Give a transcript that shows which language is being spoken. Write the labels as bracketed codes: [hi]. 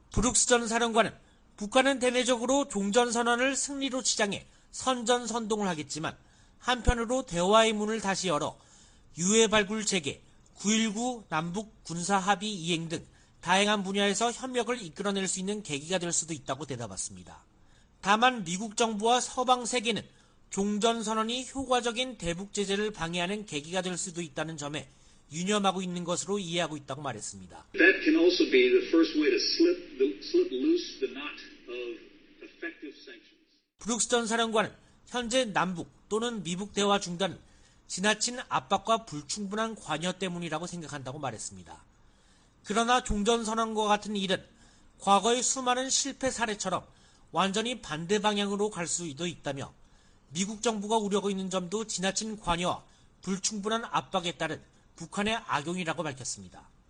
[ko] 브룩스 전 사령관은 북한은 대내적으로 종전선언을 승리로 치장해 선전선동을 하겠지만 한편으로 대화의 문을 다시 열어 유해 발굴 재개, 9.19 남북 군사 합의 이행 등 다양한 분야에서 협력을 이끌어낼 수 있는 계기가 될 수도 있다고 대답했습니다. 다만 미국 정부와 서방 세계는 종전선언이 효과적인 대북 제재를 방해하는 계기가 될 수도 있다는 점에 유념하고 있는 것으로 이해하고 있다고 말했습니다. [en] That can also be the first way to slip loose the knot of effective sanctions. [ko] 브룩스 전 사령관은 현재 남북 또는 미북 대화 중단은 지나친 압박과 불충분한 관여 때문이라고 생각한다고 말했습니다. 그러나 종전선언과 같은 일은 과거의 수많은 실패 사례처럼 완전히 반대 방향으로 갈 수도 있다며 미국 정부가 우려하고 있는 점도 지나친 관여와 불충분한 압박에 따른 북한의 악용이라고 밝혔습니다.